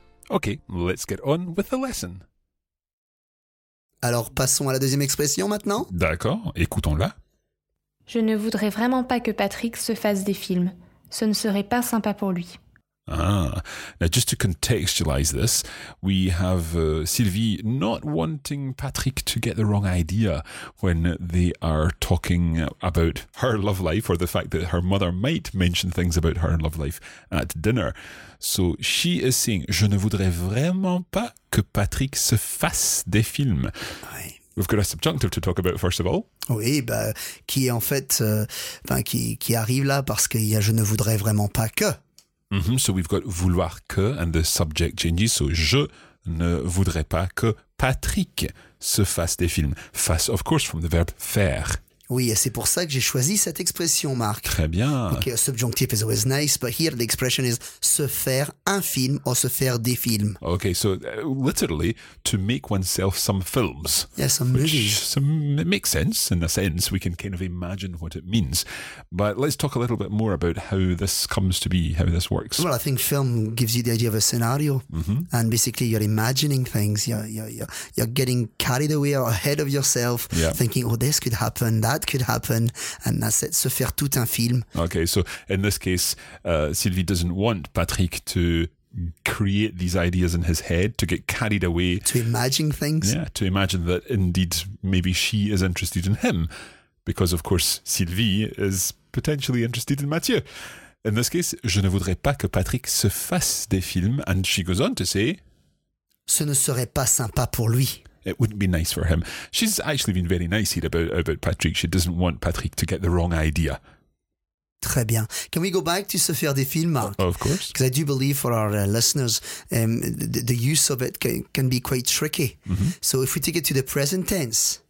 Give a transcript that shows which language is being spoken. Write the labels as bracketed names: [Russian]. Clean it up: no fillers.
[English] Okay, let's get on with the lesson. [French] Alors, passons à la deuxième expression maintenant. D'accord, écoutons-la. Je ne voudrais vraiment pas que Patrick se fasse des films. Ce ne serait pas sympa pour lui. [English] Ah, now just to contextualize this, we have Sylvie not wanting Patrick to get the wrong idea when they are talking about her love life or the fact that her mother might mention things about her love life at dinner. So she is saying, [French] je ne voudrais vraiment pas que Patrick se fasse des films. Oui. [English] We've got a subjunctive to talk about, first of all. [French] Oui, bah, qui est en fait, qui arrive là parce qu'il y a je ne voudrais vraiment pas que. [English] Mm-hmm. So we've got vouloir que and the subject changes. [French] So je ne voudrais pas que Patrick se fasse des films. [English] Fasse, of course, from the verb faire. [French] Oui, et c'est pour ça que j'ai choisi cette expression, Marc. Très bien. [English] Okay, a subjunctive is always nice, but here the expression is [French] se faire un film [English] or [French] se faire des films. [English] Okay, so literally, to make oneself some films. Yeah, some movies. It makes sense, in a sense. We can kind of imagine what it means. But let's talk a little bit more about how this comes to be, how this works. Well, I think film gives you the idea of a scenario. Mm-hmm. And basically, you're imagining things. You're getting carried away or ahead of yourself, yeah. Thinking, oh, this could happen, that could happen, and that's it, [French] se faire tout un film. [English] Okay, so in this case, Sylvie doesn't want Patrick to create these ideas in his head, to get carried away. To imagine things. Yeah, to imagine that indeed maybe she is interested in him, because of course Sylvie is potentially interested in Mathieu. In this case, [French] je ne voudrais pas que Patrick se fasse des films, [English] and she goes on to say, [French] ce ne serait pas sympa pour lui. [English] It wouldn't be nice for him. She's actually been very nice here about Patrick. She doesn't want Patrick to get the wrong idea. [French] Très bien. [English] Can we go back to [French] se faire des films, [English] Marc? Of course. Because I do believe for our listeners, the use of it can be quite tricky. Mm-hmm. So if we take it to the present tense.